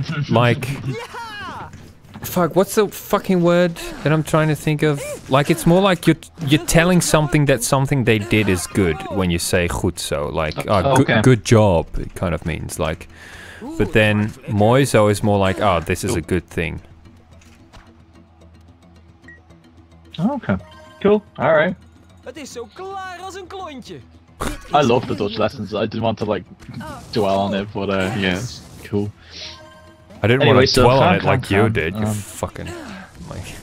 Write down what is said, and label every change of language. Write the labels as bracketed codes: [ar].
[en] Like, fuck, what's the fucking word that I'm trying to think of? Like, it's more like you're telling something that something they did is good when you say chutso. Like, oh, okay. Good job, it kind of means, like. But then Moizo is more like, oh, this is a good thing. Okay. Cool. Alright. [nl] Het is zo klaar als een klontje. [en] I love the Dutch lessons. I didn't want to like dwell on it, but yeah. Cool. I didn't want to so dwell on it like you did, you fucking like.